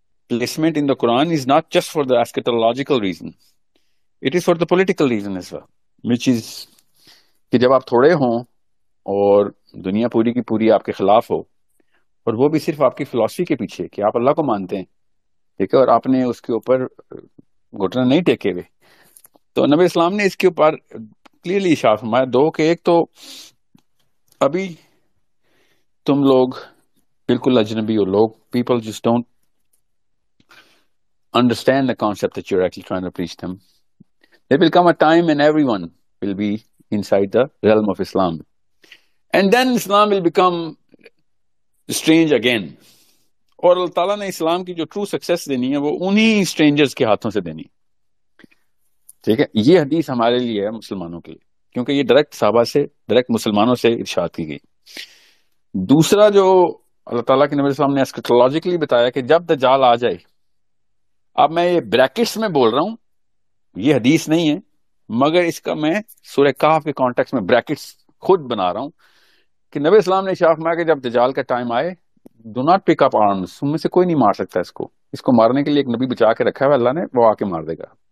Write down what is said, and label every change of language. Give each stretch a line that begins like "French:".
English: placement in the Quran is not just for the eschatological reason, it is for the political reason as well, which is
Urdu: کہ جب آپ تھوڑے ہوں اور دنیا پوری کی پوری آپ کے خلاف ہو, اور وہ بھی صرف آپ کی فلاسفی کے پیچھے کہ آپ اللہ کو مانتے ہیں, ٹھیک ہے, اور آپ نے اس کے اوپر گھٹنے نہیں ٹیکے ہوئے, تو نبی اسلام نے اس کے اوپر کلیئرلی اشارہ فرمایا دو, کہ ایک تو ابھی تم لوگ بالکل اجنبی ہو,
English: لوگ people just don't understand the concept that you are actually trying to preach them. There will come a time and every one will be inside the realm of Islam, and then Islam will become strange again.
Urdu: اور اللہ تعالیٰ نے اسلام کی جو true success دینی ہے وہ انہیں strangers کے ہاتھوں سے دینی. ٹھیک ہے, یہ حدیث ہمارے لیے ہے مسلمانوں کے لیے, کیونکہ یہ ڈائریکٹ صحابہ سے, ڈائریکٹ مسلمانوں سے ارشاد کی گئی. دوسرا جو اللہ تعالیٰ کے نبی اسلام نے اسکٹولوجیکلی بتایا کہ جب دجال آ جائے, اب میں یہ بریکٹس میں بول رہا ہوں, یہ حدیث نہیں ہے, مگر اس کا میں سورہ کہف کے کانٹیکس میں بریکٹس خود بنا رہا ہوں کہ نبی اسلام نے اشارہ فرمایا کہ جب دجال کا ٹائم آئے,
English: do not pick up arms,
Urdu: ان میں سے کوئی نہیں مار سکتا اس کو, اس کو مارنے کے لیے ایک نبی بچا کے رکھا ہے اللہ نے, وہ آ کے مار دے گا.